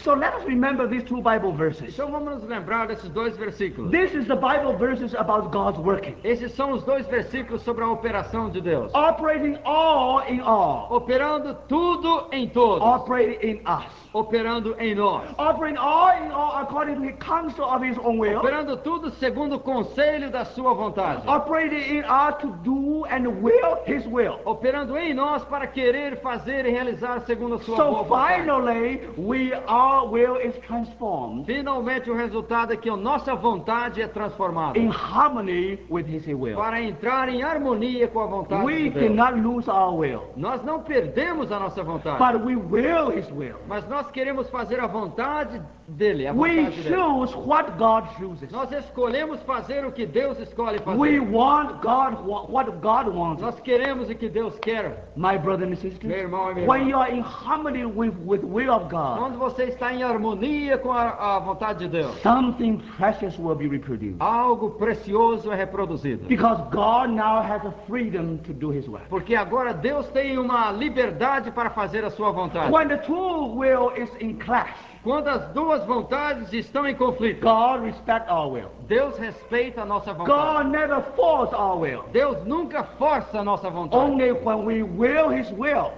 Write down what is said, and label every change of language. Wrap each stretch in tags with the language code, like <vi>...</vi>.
<en>So let us remember these two Bible verses.</en> <pt>Então vamos nos lembrar desses dois versículos.</pt> <en>This is the Bible verses about God's working.</en> <pt>Esses são os dois versículos sobre a operação de Deus.</pt> <en>Operating all in all.</en> <pt>Operando tudo em todos.</pt> <en>Operating in us.</en> <pt>Operando em nós.</pt> <en>Operating all in all according to the counsel of His own will.</en> <pt>Operando tudo segundo o conselho da sua vontade.</pt> <en>Operating in us to do and will His will.</en> <pt>Operando em nós para querer fazer e realizar segundo a sua</pt> <en>so</en> <pt>boa</pt> <en>finally, So finally, our will is transformed.</en> <pt>Finalmente o resultado é que a nossa vontade é transformada.</pt> <en>In harmony with His will.</en> <pt>Para entrar em harmonia com a vontade</pt> <en>we</en> <pt>de Deus.</pt> <en>We cannot lose our will.</en> <pt>Nós não perdemos a nossa vontade.</pt> <en>But we will His will.</en> <pt>Mas nós queremos fazer a vontade dele, a vontade</pt> <en>we choose</en> <pt>dele.</pt> <en>What God chooses.</en> <pt>Nós escolhemos fazer o que Deus escolhe fazer.</pt> <en>We want God what God wants.</en> <pt>Nós queremos o que Deus quer.</pt> <en>My brother and sister.</en> <pt>Meu irmão e minha irmã.</pt> <en>When you are in harmony with will of God.</en> <pt>Quando você está em harmonia com a vontade de Deus.</pt> <en>Something precious will be reproduced.</en> <pt>Algo precioso é reproduzido.</pt> <en>Because God now has a freedom to do His will.</en> <pt>Porque agora Deus tem uma liberdade para fazer a sua vontade.</pt> <en>When the two will is in clash.</en> <pt>Quando as duas vontades estão em conflito.</pt> <en>God respect our will.</en> <pt>Deus respeita a nossa vontade.</pt> <en>God never force our will.</en> <pt>Deus nunca força a nossa vontade.</pt> <en>Only when we will His will.</en>